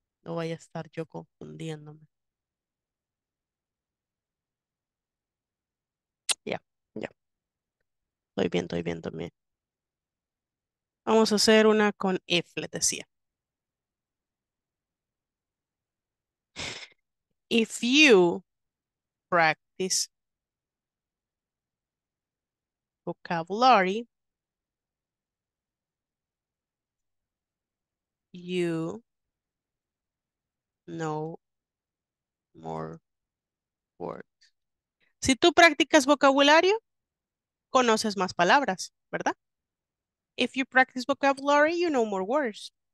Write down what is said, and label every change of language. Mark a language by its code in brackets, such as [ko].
[es] No vaya a estar yo confundiéndome. Ya. Estoy bien, también. Vamos a hacer una con if, les decía. [en] If you practice vocabulary, you know more words. [es] Si tú practicas vocabulario, conoces más palabras, ¿verdad? [en] If you practice vocabulary, you know more words.